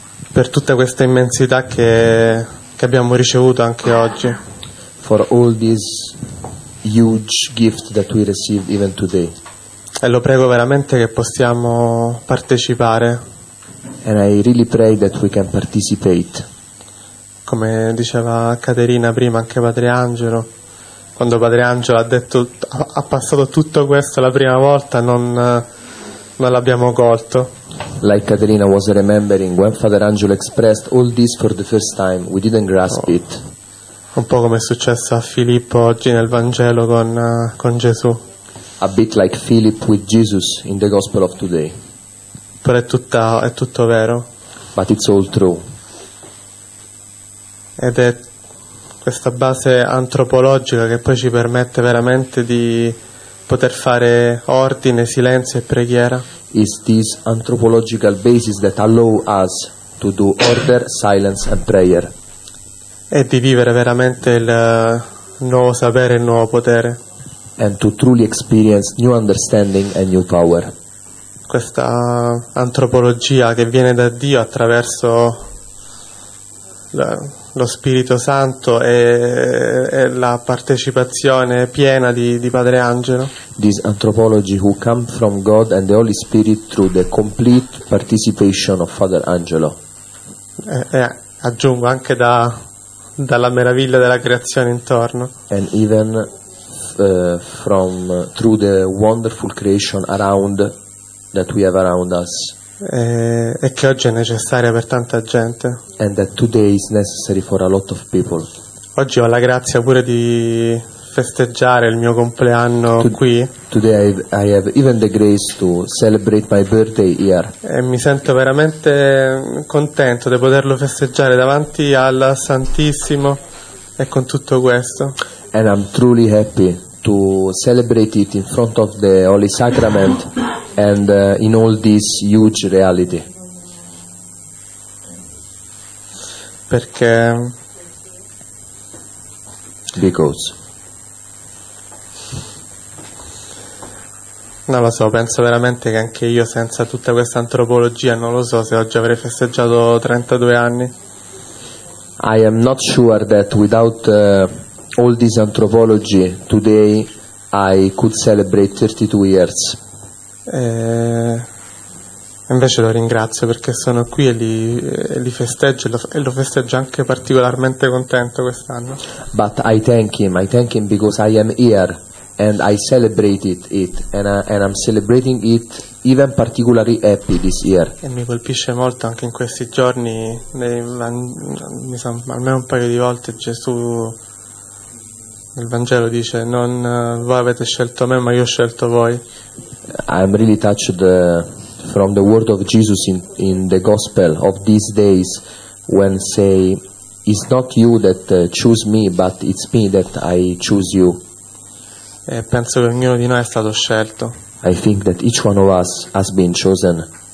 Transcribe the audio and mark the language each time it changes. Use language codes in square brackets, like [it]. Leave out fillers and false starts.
[it] Per tutta questa immensità che abbiamo ricevuto anche oggi. [en] For all this huge gift that we received even today. [it] E lo prego veramente che possiamo partecipare. [en] And I really pray that we can participate. [it] Come diceva Caterina prima, anche Padre Angelo, quando Padre Angelo ha detto ha passato tutto questo la prima volta, non l'abbiamo colto. [en] Like Caterina was remembering when Father Angelo expressed all this for the first time, we didn't grasp it. [it] Un po' come è successo a Filippo oggi nel Vangelo con Gesù. [en] A bit like Philip with Jesus in the Gospel of today. [it] Però è tutto vero. [en] But it's all true. [it] Ed è questa base antropologica che poi ci permette veramente di poter fare ordine, silenzio e preghiera. [en] It's this anthropological basis that allows us to do order, silence and prayer. [it] E di vivere veramente il nuovo sapere e il nuovo potere. [en] And to truly experience new understanding and new power. [it] Questa antropologia che viene da Dio attraverso lo Spirito Santo e la partecipazione piena di Padre Angelo. [en] This anthropology who come from God and the Holy Spirit through the complete participation of Father Angelo. [it] E aggiungo anche dalla meraviglia della creazione intorno. [en] And even from through the wonderful creation around that we have around us. [it] E che oggi è necessaria per tanta gente. [en] And that today is necessary for a lot of people. [it] Oggi ho la grazia pure di festeggiare il mio compleanno qui. [en] Today I have even the grace to celebrate my birthday here. [it] E mi sento veramente contento di poterlo festeggiare davanti al Santissimo e con tutto questo. [en] And I'm truly happy to celebrate it in front of the Holy Sacrament and in all this huge reality. [it] Perché? [en] Because. [it] Non lo so, penso veramente che anche io senza tutta questa antropologia non lo so se oggi avrei festeggiato 32 anni. [en] I am not sure that without all this anthropology today I could celebrate 32 years. [it] Invece lo ringrazio perché sono qui e li festeggio e lo festeggio anche particolarmente contento quest'anno. [en] But I thank him because I am here. And I celebrate it, and I'm celebrating it even particularly happy this year. [it] E mi colpisce molto anche in questi giorni, almeno un paio di volte Gesù nel Vangelo dice: non voi avete scelto me, ma io ho scelto voi. [en] I'm really touched from the word of Jesus in the Gospel of these days when say it's not you that choose me, but it's me that I choose you. [it] E penso che ognuno di noi è stato scelto. [en] I think that each one of us has been chosen.